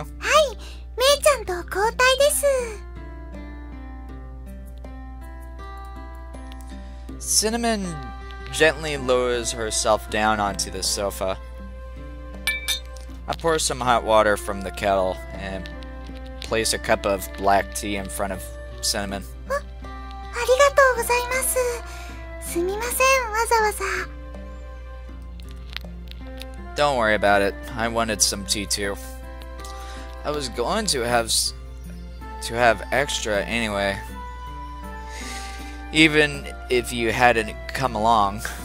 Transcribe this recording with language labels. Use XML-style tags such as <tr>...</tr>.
<ja>はい、めいちゃんと交代です。</ja> <en>Cinnamon gently lowers herself down onto the sofa. I pour some hot water from the kettle and place a cup of black tea in front of Cinnamon.</en> <ja>ありがとうございます。すみません、わざわざ。</ja> <en>Don't worry about it. I wanted some tea too. I was going to have to have extra anyway. Even if you hadn't come along.</en>